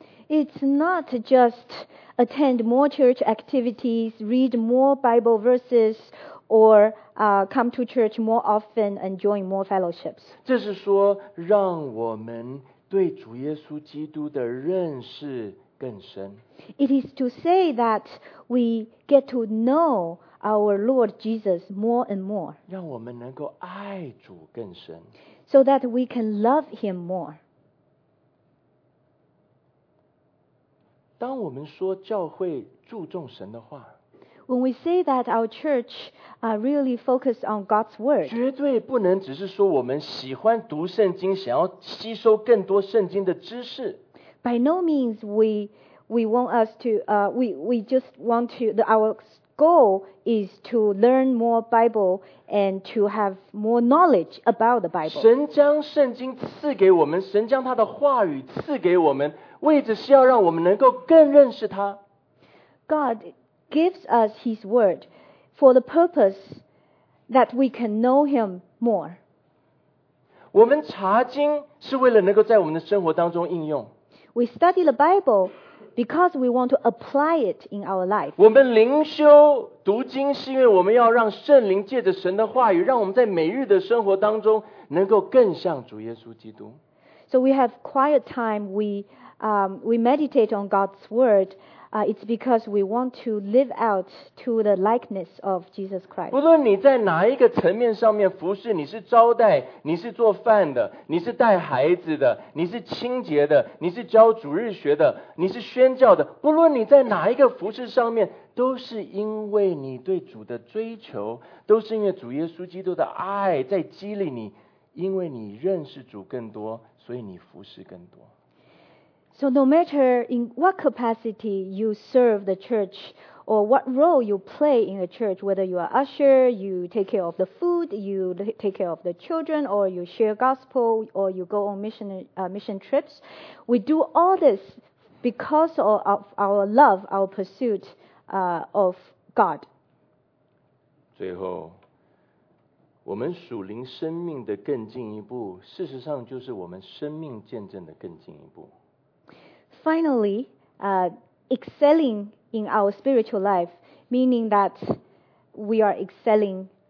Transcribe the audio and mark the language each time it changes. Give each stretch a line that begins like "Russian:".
English: It's not just attend more church activities, read more Bible verses, or come to church more often and join more fellowships.
Chinese: 这是说让我们对主耶稣基督的认识更深。
English: It is to say that we get to know our Lord Jesus more and more.
Chinese: 让我们能够爱主更深。
English: So that we can love Him more.
Chinese: 当我们说教会注重神的话，
English: When we say that our church really focus on God's word,
Chinese: 绝对不能只是说我们喜欢读圣经，想要吸收更多圣经的知识。
English: By no means we want us to we just want to our goal is to learn more Bible and to have more knowledge about the Bible.
Chinese: 神将圣经赐给我们，神将他的话语赐给我们，为的是要让我们能够更认识他。
English: God gives us His word for the purpose that we can know Him more.
Chinese: 我们查经是为了能够在我们的生活当中应用。
English: We study the Bible because we want to apply it in our life.
Chinese: 我们灵修读经是因为我们要让圣灵借着神的话语，让我们在每日的生活当中能够更像主耶稣基督。
English: So we have quiet time, we meditate on God's word, it's because we want to live out to the likeness of Jesus Christ.
Chinese: 不论你在哪一个层面上面服事，你是招待，你是做饭的，你是带孩子的，你是清洁的，你是教主日学的，你是宣教的，不论你在哪一个服事上面，都是因为你对主的追求，都是因为主耶稣基督的爱在激励你，因为你认识主更多，所以你服事更多。
English: So no matter in what capacity you serve the church or what role you play in a church, whether you are usher, you take care of the food, you take care of the children, or you share gospel, or you go on mission trips. We do all this because of our love, our pursuit of God.
Chinese: 最后，我们属灵生命的更进一步，事实上就是我们生命见证的更进一步。
English: Finally, excelling in our spiritual life, meaning that we are excelling.